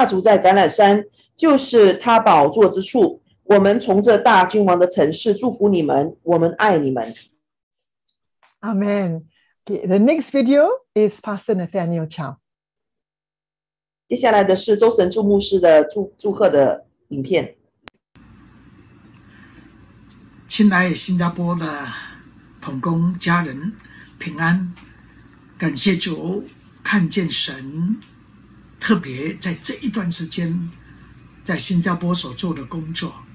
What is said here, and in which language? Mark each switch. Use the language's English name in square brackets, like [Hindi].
[Chinese] 印尼就像是枪管，马来西亚是扳机，新加坡是撞针，联合起来就能带下突破，使复兴从地级回归耶路撒冷。祝贺新加坡在启动二十七祷告的时刻，在你们心里动了善功的必成全这功，直到主耶稣基督的日子。那时，他要踏足在橄榄山，就是他宝座之处。我们从这大君王的城市祝福你们，我们爱你们。Amen. [English] Okay, the next video is Pastor Nathaniel Chow. [Chinese] 接下来的是周神祝牧师的祝贺的影片。亲爱新加坡的同工家人平安，感谢主看见神特别在这一段时间在新加坡所做的工作。